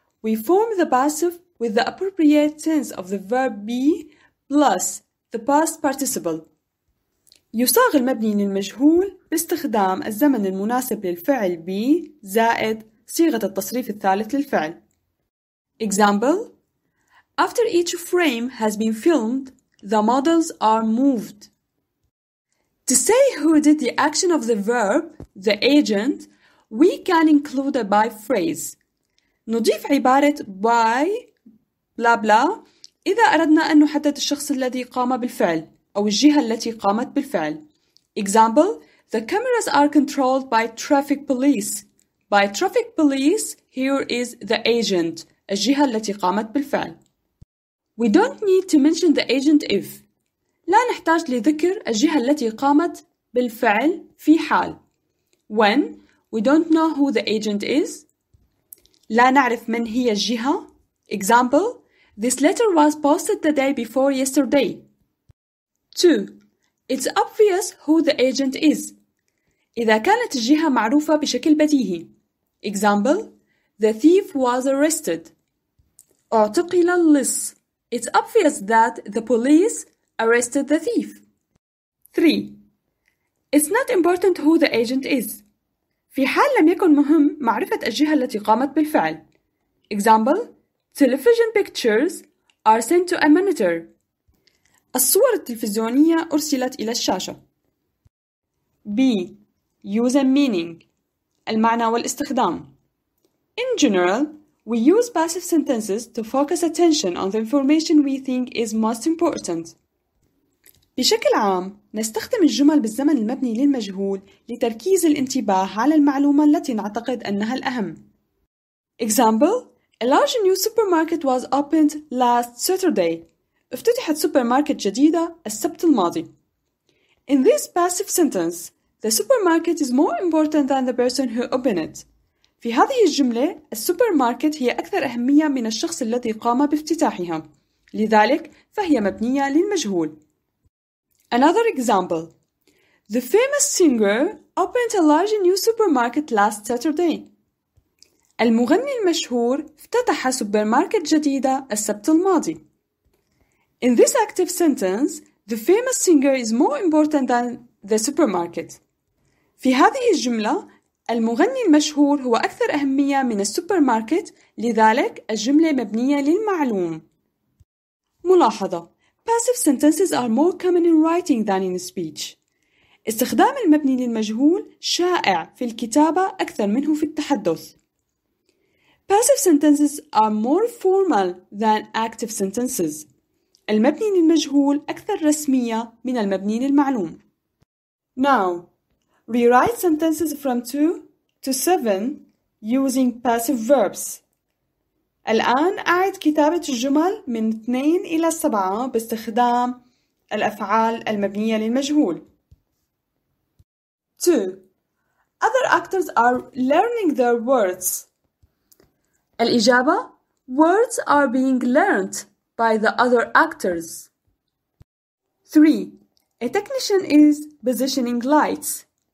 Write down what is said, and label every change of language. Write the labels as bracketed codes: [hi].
[en] We form the passive with the appropriate tense of the verb be plus the past participle. [ar] يصاغ المبني للمجهول باستخدام الزمن المناسب للفعل be زائد صيغة التصريف الثالث للفعل. [en] Example. After each frame has been filmed, the models are moved. To say who did the action of the verb, the agent, we can include a by phrase. [ar] نضيف عبارة by بلا بلا إذا أردنا أن نحدد الشخص الذي قام بالفعل أو الجهة التي قامت بالفعل. [en] Example, the cameras are controlled by traffic police. By traffic police, here is the agent, [ar] الجهة التي قامت بالفعل. [en] We don't need to mention the agent if. [ar] لا نحتاج لذكر الجهة التي قامت بالفعل في حال. [en] When, we don't know who the agent is. [ar] لا نعرف من هي الجهة. [en] Example, this letter was posted the day before yesterday. 2. It's obvious who the agent is. [ar] إذا كانت الجهة معروفة بشكل بديهي. [en] Example, the thief was arrested. [ar] اعتقل اللص. [en] It's obvious that the police arrested the thief. 3. It's not important who the agent is. [ar] في حال لم يكن مهم معرفة الجهة التي قامت بالفعل. [en] Example, television pictures are sent to a monitor. [ar] الصور التلفزيونية أرسلت إلى الشاشة. [en] B. Use and meaning. [ar] المعنى والاستخدام. [en] In general, we use passive sentences to focus attention on the information we think is most important. [ar] بشكل عام، نستخدم الجمل بالزمن المبني للمجهول لتركيز الانتباه على المعلومة التي نعتقد أنها الأهم. [en] Example, a large new supermarket was opened last Saturday. [ar] افتتحت سوبر ماركت جديدة السبت الماضي. [en] In this passive sentence, the supermarket is more important than the person who opened it. [ar] في هذه الجملة، السوبر ماركت هي أكثر أهمية من الشخص الذي قام بافتتاحها. لذلك، فهي مبنية للمجهول. [en] Another example. The famous singer opened a large new supermarket last Saturday. [ar] المغني المشهور افتتح سوبر ماركت جديدة السبت الماضي. [en] In this active sentence, the famous singer is more important than the supermarket. [ar] في هذه الجملة، المغني المشهور هو أكثر أهمية من السوبر ماركت، لذلك الجملة مبنية للمعلوم. ملاحظة. [en] Passive sentences are more common in writing than in speech. [ar] استخدام المبني للمجهول شائع في الكتابة أكثر منه في التحدث. [en] Passive sentences are more formal than active sentences. [ar] المبني للمجهول أكثر رسمية من المبني للمعلوم. [en] Now, rewrite sentences from 2 to 7 using passive verbs. [ar] الآن أعد كتابة الجمل من 2 إلى 7 باستخدام الأفعال المبنية للمجهول. [en] 2. Other actors are learning their words. الإجابة Words are being learned by the other actors. 3. A technician is positioning lights.